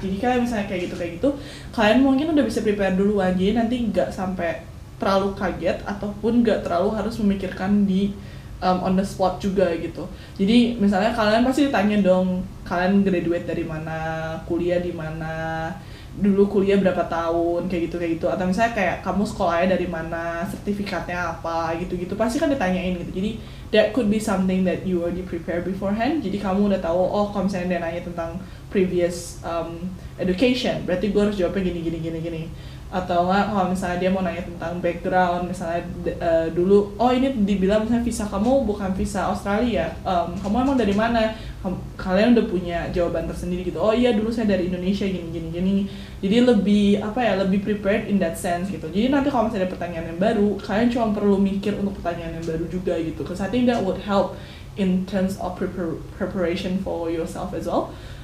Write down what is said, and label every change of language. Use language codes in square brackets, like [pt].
[id] Jadi kayak misalnya kayak gitu, kalian mungkin udah bisa prepare dulu aja, nanti nggak sampai terlalu kaget ataupun nggak terlalu harus memikirkan di on the spot juga gitu. Jadi misalnya kalian pasti ditanya dong, kalian graduate dari mana, kuliah di mana, dulu kuliah berapa tahun, kayak gitu, atau misalnya kayak kamu sekolahnya dari mana, sertifikatnya apa, gitu, pasti kan ditanyain gitu. [en] Jadi that could be something that you already prepare beforehand. [id] Jadi kamu udah tahu, oh, kalau misalnya dia nanya tentang previous education, berarti gue harus jawabnya gini. Atau enggak, kalau misalnya dia mau nanya tentang background, misalnya dulu, oh, ini dibilang misalnya visa kamu bukan visa Australia, kamu emang dari mana? Kalian udah punya jawaban tersendiri gitu. Oh iya, dulu saya dari Indonesia, gini. Jadi lebih, apa ya, lebih prepared [en] in that sense [id] gitu. Jadi nanti kalau misalnya ada pertanyaan yang baru, kalian cuma perlu mikir untuk pertanyaan yang baru juga gitu. [en] Because I think that would help in terms of preparation for yourself as well.